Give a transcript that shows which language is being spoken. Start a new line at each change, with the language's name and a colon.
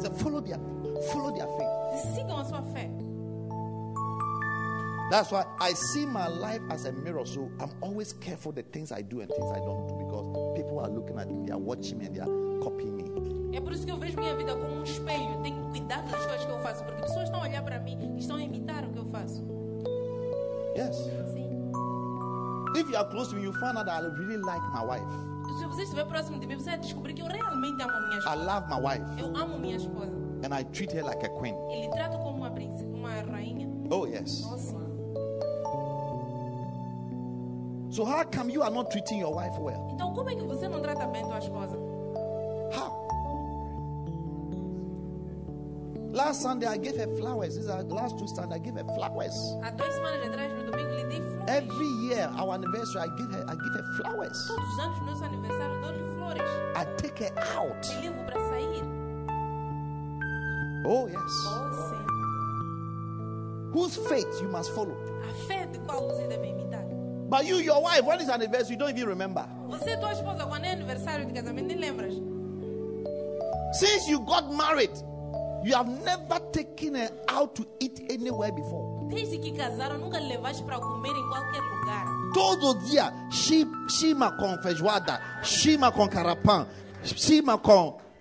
English: So follow their faith.
Portuguese: Sigam a sua fé.
English: That's why I see my life as a mirror, so I'm always careful the things I do and things I don't do, because people are looking at me, they are watching me, and they are copying me.
Portuguese: É por isso que eu vejo minha vida como um espelho. Tenho que cuidar das coisas que eu faço, porque pessoas estão a olhar para mim e estão a imitar o que eu faço.
English: Yes.
Portuguese: Sim.
English: If you are close to me, you find out that I really like my wife.
Portuguese: Se você estiver próximo de mim, você vai descobrir que eu realmente amo minha esposa.
English: I love my wife.
Portuguese: Eu amo minha esposa.
English: And I treat her like a queen.
Portuguese: E lhe trato como uma princesa, uma rainha.
English: Oh yes. Awesome. So how come you are not treating your wife well?
Portuguese: Então como é que você não trata bem tua esposa?
English: Last Sunday I gave her flowers. These are the last two Sundays I gave her flowers.
Portuguese: Há duas semanas atrás no domingo lhe dei flores.
English: Every year our anniversary I give her flowers.
Portuguese: Todos os anos no nosso aniversário dou-lhe flores.
English: I take her out.
Portuguese: Me levo para sair.
English: Oh yes.
Portuguese: Oh sim.
English: Whose faith you must follow?
Portuguese: A fé de qual você deve imitar?
English: But you, your wife, when is anniversary? You don't even remember.
Portuguese: Você tua esposa quando é aniversário de casamento nem lembras?
English: Since you got married, you have never taken her out to eat anywhere before.
Portuguese: Desde que casaram, nunca levaste para comer em qualquer lugar. Todo dia, shima com feijoada, shima com carapan, shima com...